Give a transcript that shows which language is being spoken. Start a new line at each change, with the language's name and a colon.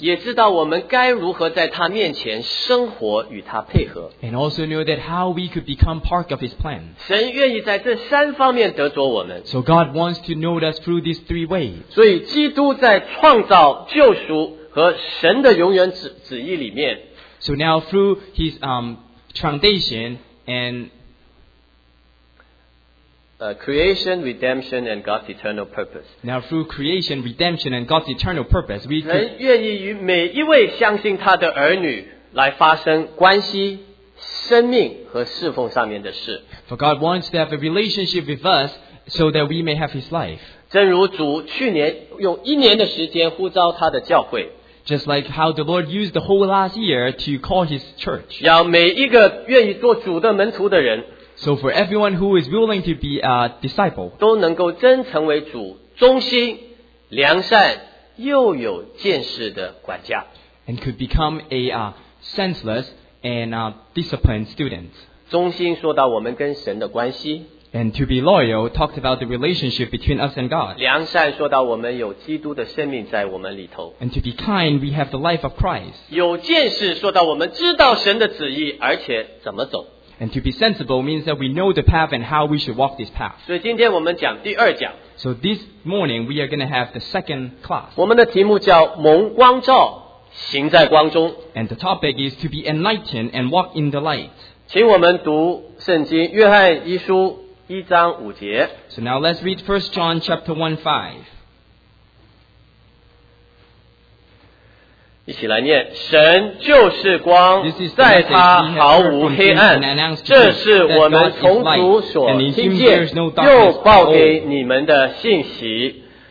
Chinese: 也知道我们该如何在他面前生活与他配合。
English: And also know that how we could become part of His plan.
Chinese: 神愿意在这三方面得着我们。
English: So God wants to know us through these three ways.
Chinese: 所以基督在创造、救赎和神的永远旨意里面。
English: So now through His foundation and Creation, redemption, and God's eternal purpose. Now, through creation, redemption, and God's eternal purpose, we.
Chinese: 人愿意与每一位相信他的儿女来发生关系、生命和侍奉上面的事。
English: For God wants to have a relationship with us, so that we may have His life.
Chinese: 正如主去年用一年的时间呼召他的教会。
English: Just like how the Lord used the whole last year to call His church.
Chinese: 要每一个愿意做主的门徒的人。
English: So for everyone who is willing to be a disciple,
Chinese: 都能够真成为主忠心、良善又有见识的管家。
English: And could become a senseless and a disciplined student.
Chinese: 忠心说到我们跟神的关系。
English: And to be loyal talked about the relationship between us and God.
Chinese: 良善说到我们有基督的生命在我们里头。
English: And to be kind, we have the life of Christ.
Chinese: 有见识说到我们知道神的旨意，而且怎么走。
English: And to be sensible means that we know the path and how we should walk this path.
Chinese: 所以今天我们讲第二讲。
English: So this morning we are going to have the second class.
Chinese: 我们的题目叫蒙光照，行在光中。
English: And the topic is to be enlightened and walk in the light.
Chinese: 请我们读圣经约翰一书一章五节。
English: So now let's read 1 John chapter 1, 5.
Chinese: 一起来念，神就是光，在他毫无黑暗，这是我们从主所听见又报给你们的信息。